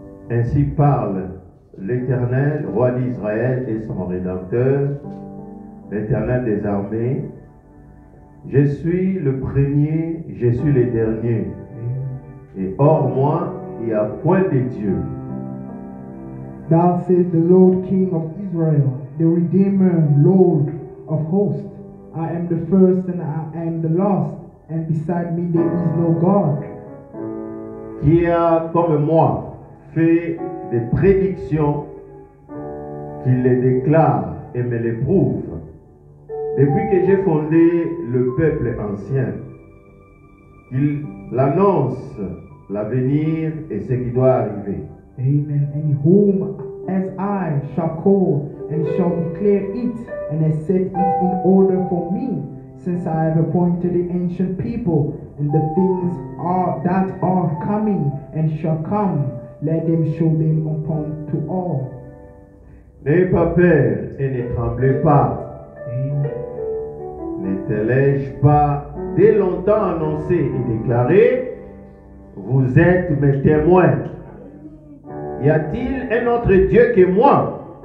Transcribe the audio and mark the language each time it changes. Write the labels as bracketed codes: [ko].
[fr] Ainsi parle l'Éternel, roi d'Israël et son Rédempteur, l'Éternel des armées. Je suis le premier, je suis le dernier. Et hors moi, il n'y a point de Dieu. [en] Thou said the Lord King of Israel, the Redeemer, Lord of hosts. I am the first and I am the last, and beside me there is no God. [fr] Qui a comme moi fait des prédictions, qui les déclare et me les prouve. Depuis que j'ai fondé le peuple ancien, il l'annonce l'avenir et ce qui doit arriver. Amen. [en] And whom as I shall call and shall declare it and has set it in order for me, since I have appointed the ancient people and the things are that are coming and shall come, let them show them upon to all. [fr] N'ayez pas peur et ne tremblez pas. Amen. N'étais-je pas dès longtemps annoncé et déclaré? Vous êtes mes témoins. Y a-t-il un autre Dieu que moi?